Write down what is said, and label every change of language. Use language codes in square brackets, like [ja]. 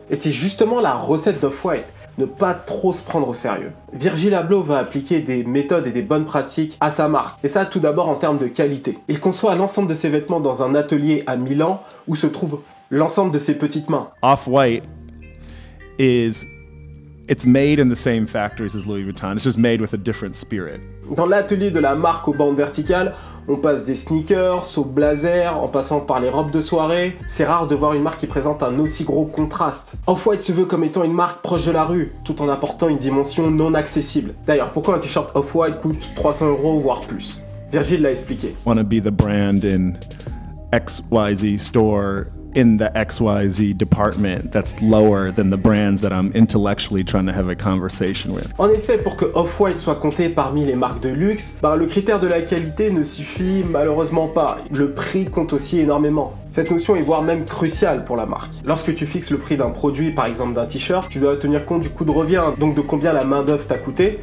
[fr] Et c'est justement la recette d'Off-White. Ne pas trop se prendre au sérieux. Virgil Abloh va appliquer des méthodes et des bonnes pratiques à sa marque. Et ça, tout d'abord en termes de qualité. Il conçoit l'ensemble de ses vêtements dans un atelier à Milan où se trouve l'ensemble de ses petites mains. [en] Off-White is... It's made in the same factories as Louis Vuitton. It's just made with a different spirit. [fr] Dans l'atelier de la marque aux bandes verticales, on passe des sneakers aux blazers, en passant par les robes de soirée. C'est rare de voir une marque qui présente un aussi gros contraste. Off-White se veut comme étant une marque proche de la rue, tout en apportant une dimension non accessible. D'ailleurs, pourquoi un t-shirt Off-White coûte 300 euros voire plus? Virgil l'a expliqué. [en] Want to be the brand in XYZ store. In the XYZ department that's lower than the brands that I'm intellectually trying to have a conversation with. [fr] En effet, pour que Off-White soit compté parmi les marques de luxe, le critère de la qualité ne suffit malheureusement pas. Le prix compte aussi énormément. Cette notion est voire même cruciale pour la marque. Lorsque tu fixes le prix d'un produit, par exemple d'un t-shirt, tu dois tenir compte du coût de revient, donc de combien la main d'œuvre t'a coûté.